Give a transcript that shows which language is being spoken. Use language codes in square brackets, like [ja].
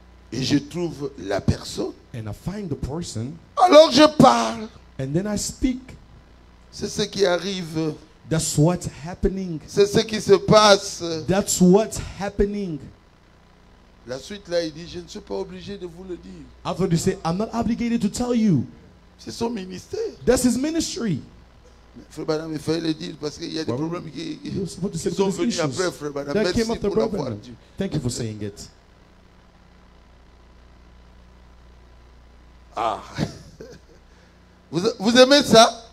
[fr] Et je trouve la personne. [en] And I find the person. [fr] Alors je parle. [en] And then I speak. [fr] C'est ce qui arrive. [en] That's what's happening. [fr] C'est ce qui se passe. [en] That's what's happening. [fr] La suite là, il dit, je ne suis pas obligé de vous le dire. [en] After they say, I'm not obligated to tell you. [fr] C'est son ministère. [en] That's his ministry. [fr] Frère Branham, il fallait le dire parce qu'il y a des problèmes qui sont venus après, Frère Branham. Merci pour l'avoir dit. [en] Thank you for saying it. [fr] Ah. Vous aimez ça?